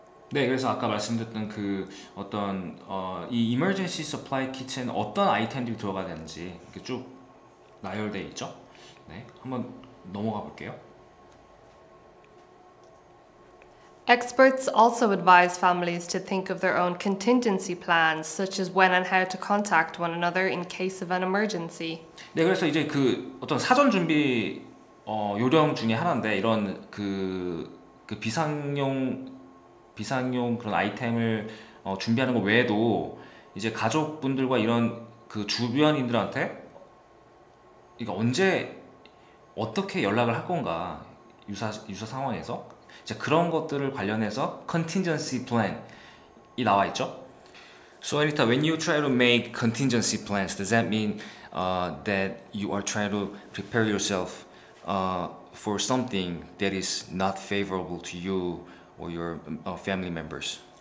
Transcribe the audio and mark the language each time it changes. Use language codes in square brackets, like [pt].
[ko] 네, 그래서 아까 말씀드렸던 그 어떤 이 emergency supply kit에는 어떤 아이템들이 들어가야 되는지 이렇게 쭉 나열되어 있죠? 네, 한번 넘어가 볼게요. [en] Experts also advise families to think of their own contingency plans, such as when and how to contact one another in case of an emergency. [ko] 네, 그래서 이제 그 어떤 사전 준비 요령 중에 하나인데 이런 그 비상용 그런 아이템을 준비하는 것 외에도 이제 가족분들과 이런 그 주변인들한테 이거 언제 어떻게 연락을 할 건가 유사 상황에서. 그런 것들을 관련해서 contingency plan이 나와 있죠. [en] So Anita, when you try to make contingency plans, does that mean that you are trying to prepare yourself for something that is not favorable to you or your family members?